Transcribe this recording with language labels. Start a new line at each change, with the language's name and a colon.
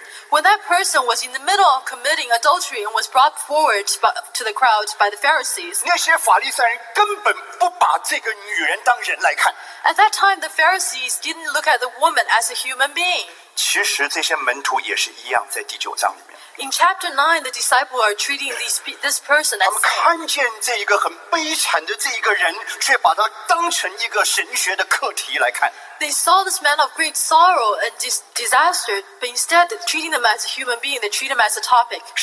English: When that person was in the middle of committing adultery and was brought forward to the crowd by the Pharisees,
Chinese: 那些法利赛人根本不把这个女人当人来看。
English: At that time, the Pharisees didn't look at the woman as a human being.
Chinese: 其实这些门徒也是一样，在第九章里面。
English: In chapter 9, the disciples are treating this person as
Chinese: 他们看见这一个很悲惨的这一个人，却把他当成一个神学的课题来看。
English: They saw this man of great sorrow and disaster, but instead treating them as a human being, they treat him as a topic.